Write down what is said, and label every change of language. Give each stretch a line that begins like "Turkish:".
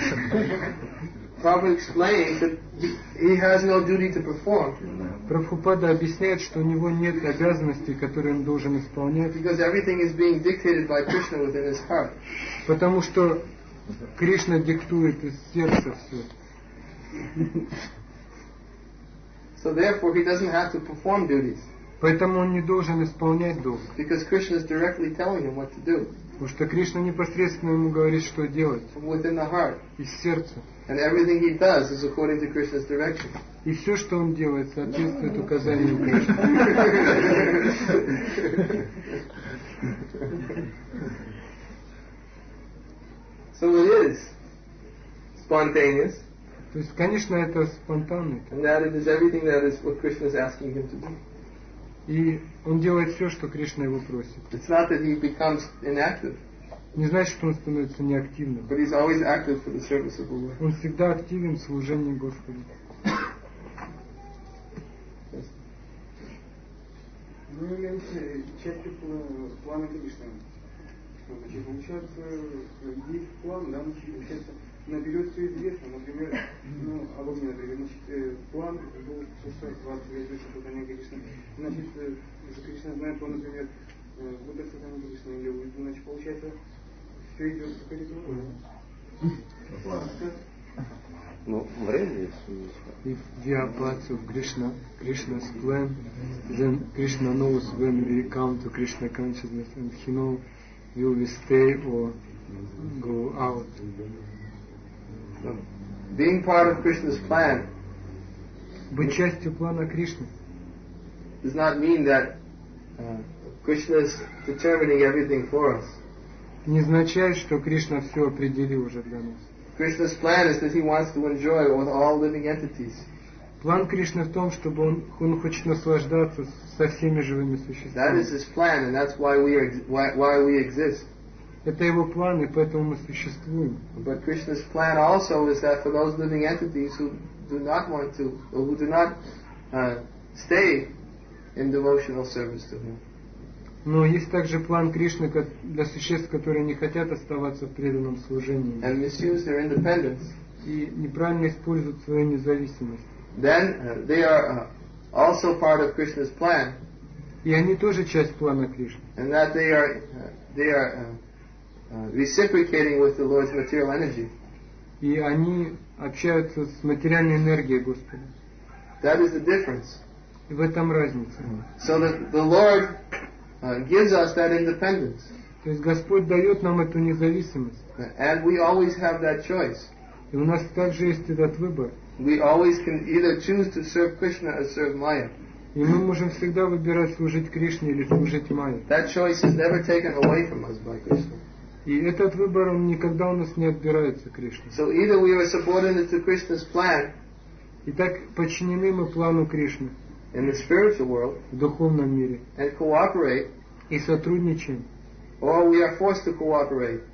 English: Prabhupada explained that he has no duty to perform.
Russian: Прабхупада объясняет, что у него нет обязанностей, которые он должен исполнять.
English: Because everything is being dictated by Krishna within his heart.
Russian: Потому что Кришна диктует из сердца все.
English: So therefore, he doesn't have to perform duties.
Russian: Поэтому он не должен исполнять долг.
English: Because Krishna is directly telling him what to do.
Russian: Потому что Кришна непосредственно ему говорит, что делать.
English: From within the heart.
Russian: Из сердца.
English: And everything he does is according to Krishna's direction.
Russian: И все, что он делает, соответствует указанию Кришны.
English: So it is spontaneous.
Russian: То есть, конечно, это спонтанно.
English: And that it is everything that is what Krishna is asking him to do.
Russian: И он делает все, что Кришна его просит.
English: It's not that he becomes inactive.
Russian: Не значит, что он становится неактивным.
English: But he's always active for the service of the Lord.
Russian: Он всегда активен в служении Господу. Мы являемся частью плана Кришны. Значит, он сейчас есть план, да, значит, наперед все известно, например, ну, обо мне, например, значит, план был сейчас 20 лет выше создания Кришны. Значит, если Кришна знает, то, например, выбор создания Кришны или уйду, значит, получается, все идет по коридору. Ну, время есть.
English: If we are part of Krishna, Krishna's plan, then Krishna knows when we come to Krishna consciousness, and he knows will we stay or go out. So, being part of Krishna's plan.
Russian: Быть частью плана Кришны.
English: Does not mean that Krishna is determining everything for us.
Russian: Не означает, что Кришна все определил уже для нас.
English: Krishna's plan is that he wants to enjoy with all living entities.
Russian: План Кришны в том, чтобы он хочет наслаждаться со всеми живыми существами.
English: That is his plan, and that's why we exist.
Russian: Это его план, и поэтому мы существуем.
English: But Krishna's plan also is that for those living entities who do not want to, or who do not stay in devotional service to him.
Russian: Но есть также план Кришны для существ, которые не хотят оставаться в преданном служении.
English: And misuse their independence.
Russian: И неправильно используют свою независимость.
English: Then they are also part of Krishna's plan.
Russian: И они тоже часть плана Кришны.
English: And that they are reciprocating with the Lord's material energy.
Russian: И они общаются с материальной энергией Господа.
English: That is the difference.
Russian: И в этом разница.
English: So that the Lord gives us that independence.
Russian: То есть Господь дает нам эту независимость.
English: And we always have that choice.
Russian: И у нас также есть этот выбор.
English: We always can either choose to serve Krishna or serve Maya.
Russian: И мы можем всегда выбирать служить Кришне или служить Майе.
English: That choice is never taken away from us by Krishna.
Russian: И этот выбор он никогда у нас не отбирается Кришной.
English: So either we are subordinate to Krishna's plan.
Russian: Итак, подчинены мы плану Кришны.
English: In the spiritual world,
Russian: в духовном мире,
English: and cooperate,
Russian: и сотрудничаем,
English: or we are forced to cooperate,